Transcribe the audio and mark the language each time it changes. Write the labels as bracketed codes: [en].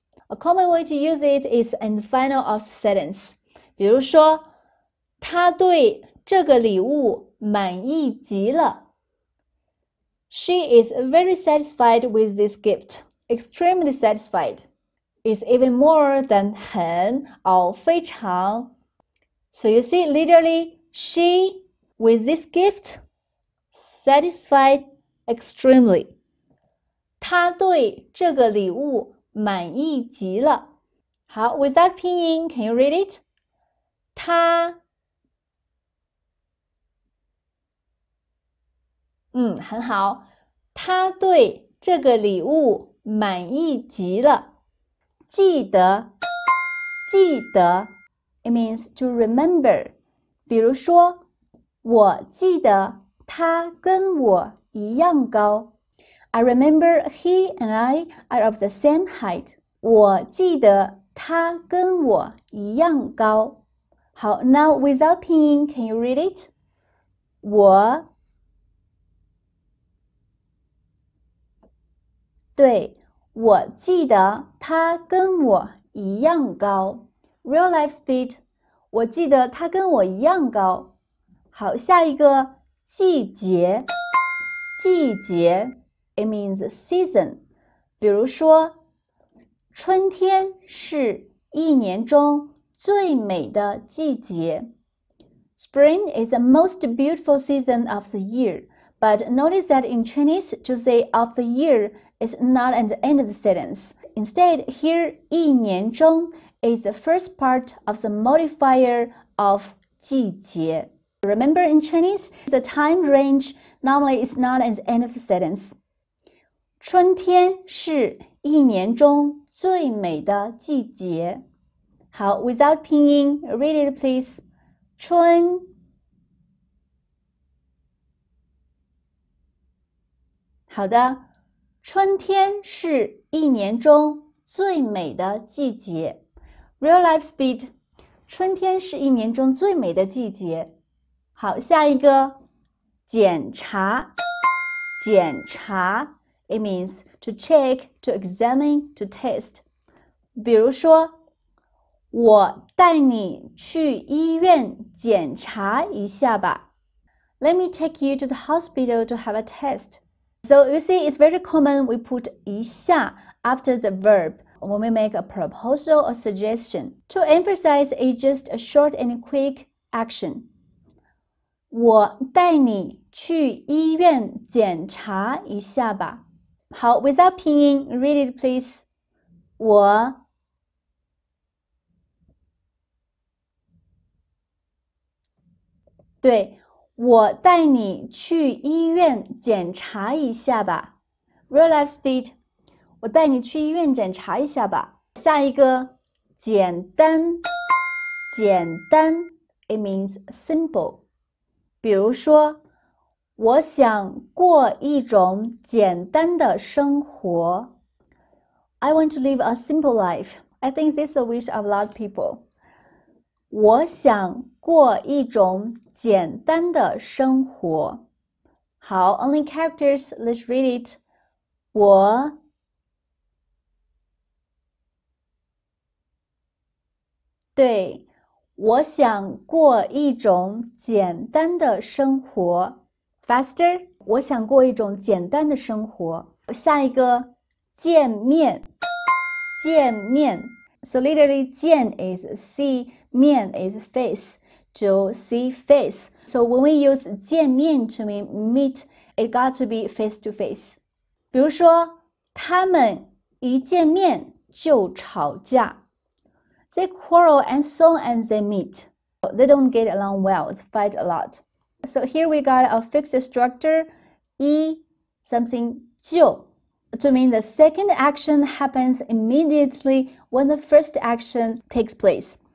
[en] A common way to use it is in the final of the sentence. [zh] 比如说，他对这个礼物满意极了。 [en] She is very satisfied with this gift. Extremely satisfied is even more than 很 or 非常。 So you see, literally, she with this gift satisfied extremely. [zh] 他对这个礼物满意极了。 [en] 好 ，without 拼音 ，can you read it？ 他 [zh] 嗯，很好。他对这个礼物满意极了。记得，记得。 [en] It means to remember. [zh] 比如说，我记得他跟我一样高。 [en] I remember he and I are of the same height. [zh] 我记得他跟我一样高。 [en] 好 ,now without pinyin, can you read it? [zh] 我对我记得他跟我一样高。 [en] Real life speed, [zh] 我记得他跟我一样高。好下一个季节。 [en] 季节 ,it means season. [zh] 比如说春天是一年中最美的季节。 [en] Spring is the most beautiful season of the year. But notice that in Chinese, to say of the year is not at the end of the sentence. Instead, here, 一年中 is the first part of the modifier of 季节. Remember in Chinese, the time range normally is not at the end of the sentence. [zh] 春天是一年中最美的季节。 [en] 好 ,without 拼音 ,read it please. [zh] 春好的春天是一年中最美的季节。 [en] Real life speed. [zh] 春天是一年中最美的季节。好下一个检查。检查 [en] ,it means to check, to examine, to test. [zh] 比如说我带你去医院检查一下吧。 [en] Let me take you to the hospital to have a test. So you see, it's very common we put 一下 after the verb when we make a proposal or suggestion. To emphasize, it's just a short and quick action. [zh] 我带你去医院检查一下吧。 [en] 好 ,without 拼音 ,read it please. [zh] 我对我带你去医院检查一下吧。 [en] Real life speed. [zh] 我带你去医院检查一下吧。下一个简单。简单 [en] ,it means simple. [zh] 比如说我想过一种简单的生活。 [en] I want to live a simple life. I think this is a wish of a lot of people. [zh] 我想过一种简单的生活。 [en] 好 ,only characters, let's read it. [zh] 我对我想过一种简单的生活。 [en] Faster, [zh] 我想过一种简单的生活。下一个见面。见面。 [en] So literally, 见 is see, 面 is face. To see face. So when we use 见面 to mean meet, it got to be face to face. 比如说他们一见面就吵架。 They quarrel and so on and they meet. They don't get along well, they fight a lot. So here we got a fixed structure, 一 something 就 to mean the second action happens immediately when the first action takes place.